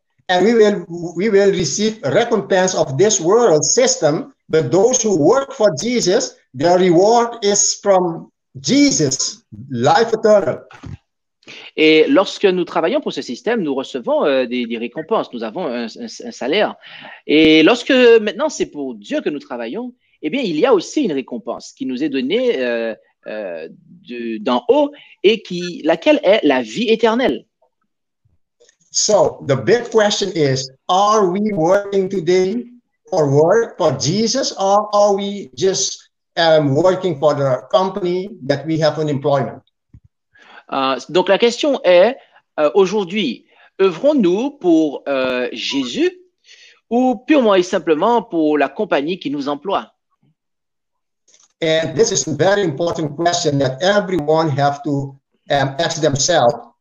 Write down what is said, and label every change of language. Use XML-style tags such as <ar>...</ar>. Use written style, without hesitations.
<en>And we will receive recompense of this world system, but those who work for Jesus, their reward is from Jesus, life eternal.</en> <fr>Et lorsque nous travaillons pour ce système, nous recevons des récompenses, nous avons un salaire. Et lorsque maintenant c'est pour Dieu que nous travaillons, eh bien il y a aussi une récompense qui nous est donnée d'en haut et laquelle est la vie éternelle.</fr> <en>So the big question is, are we working today for work for Jesus, or are we just working for the company that we have an employment?</en> <fr>Donc la question est, aujourd'hui, œuvrons-nous pour Jésus ou purement et simplement pour la compagnie qui nous emploie?</fr> <en>And this is a very important question that everyone have to ask themselves.</en>